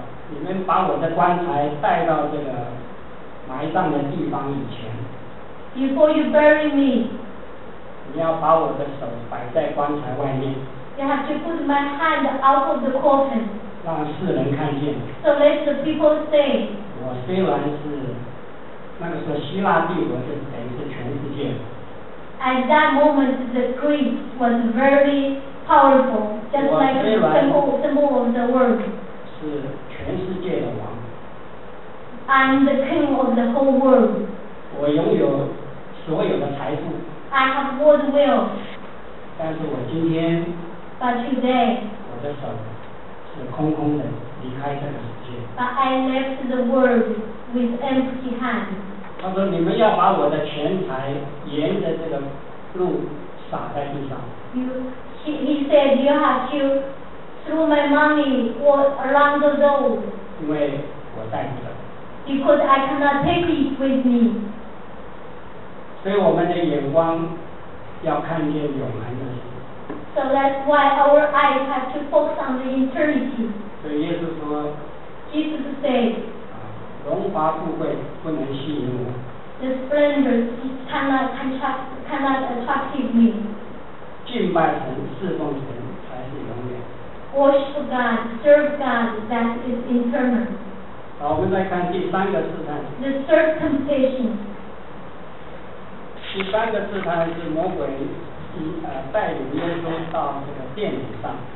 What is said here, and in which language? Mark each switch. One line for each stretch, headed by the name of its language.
Chinese: 你们把我的棺材带到这个埋葬的地方以前
English: before you bury me,
Chinese: 你要把我的手摆在棺材外面
English: you have to put my hand out of the coffin,
Chinese: 让世人看见。
English: So let the people say.
Chinese: 我虽然是那个时候希腊帝国是等于是全世界。
English: At that moment, the Greek was very powerful, just like the symbol of the world.
Chinese: 是全世界的王。
English: I'm the king of the whole world.
Chinese: 我拥有所有的财富。
English: I have world wealth.
Chinese: 但是我今天。
English: But today.
Chinese: 我的手。是空空的离开这个世界。
English: But I left the world with empty hands.
Chinese: 他说：“你们要把我的钱财沿着这个路撒在地上。
English: ”He said, "You have to throw my money around the road."
Chinese: 因为我带不走。
English: Because I cannot take it with me.
Chinese: 所以我们的眼光要看见永恒的。
English: So that's why our eyes have to focus on the eternity.
Chinese: 所以耶稣说
English: Jesus said,
Chinese: 荣华富贵不能吸引我。
English: The splendor cannot attract me.
Chinese: 敬拜神侍奉神才是永远。
English: Worship God, serve God, that is eternal.
Chinese: 好，我们再看第三个试探。
English: The third temptation.
Chinese: 第三个试探是魔鬼。带领耶稣到这个殿里上。